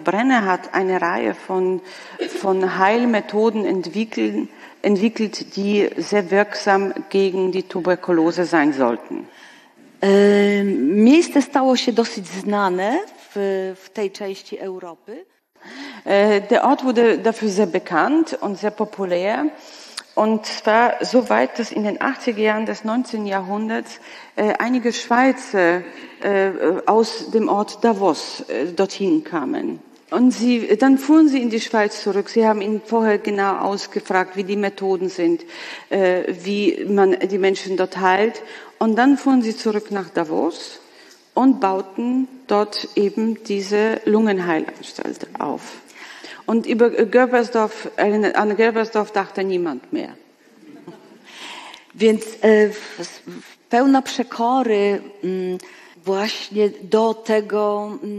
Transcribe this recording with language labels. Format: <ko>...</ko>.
<de>Brenner hat eine Reihe von Heilmethoden entwickelt, die sehr wirksam gegen die Tuberkulose sein sollten.</de> <pl>Miejsce stało się dosyć znane w tej części Europy.</pl> <de>Der Ort wurde dafür sehr bekannt und sehr populär. Und zwar so weit, dass in den 80er Jahren des 19. Jahrhunderts einige Schweizer aus dem Ort Davos dorthin kamen. Und dann fuhren sie in die Schweiz zurück. Sie haben ihn vorher genau ausgefragt, wie die Methoden sind, wie man die Menschen dort heilt. Und dann fuhren sie zurück nach Davos und bauten dort eben diese Lungenheilanstalt auf. Und über Görbersdorf, an Görbersdorf dachte niemand mehr.</de> <pl>Więc pełna przekory właśnie do tego.</pl>